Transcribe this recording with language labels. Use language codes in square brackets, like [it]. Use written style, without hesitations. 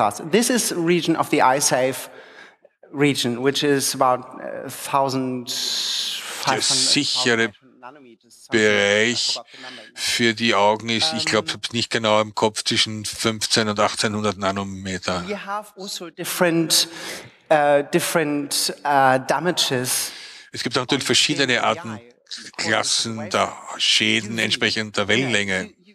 [en] This is region of the iSafe region, which is about 1500. [de] Der sichere Bereich für die Augen ist, ich glaube, ich habe es nicht genau im Kopf, zwischen 15 und 1800 Nanometer. [en] We have also different damages. [de] Es gibt auch natürlich verschiedene Arten, Klassen der Schäden entsprechend der Wellenlänge.